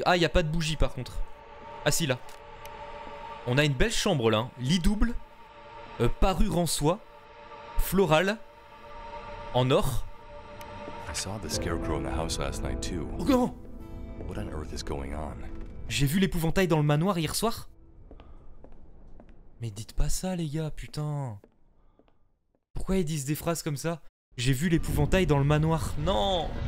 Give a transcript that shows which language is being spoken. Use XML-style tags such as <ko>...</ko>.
<fr>Ah, il y a pas de bougie par contre. Ah si, là. On a une belle chambre là, hein. Lit double, parure en soie. floral en or.</fr> <en>I saw the scarecrow in the house last night too.</en> <fr>Oh non!</fr> <en>What on earth is going on?</en> <fr>J'ai vu l'épouvantail dans le manoir hier soir. Mais dites pas ça les gars, putain. Pourquoi ils disent des phrases comme ça? J'ai vu l'épouvantail dans le manoir. Non!</fr>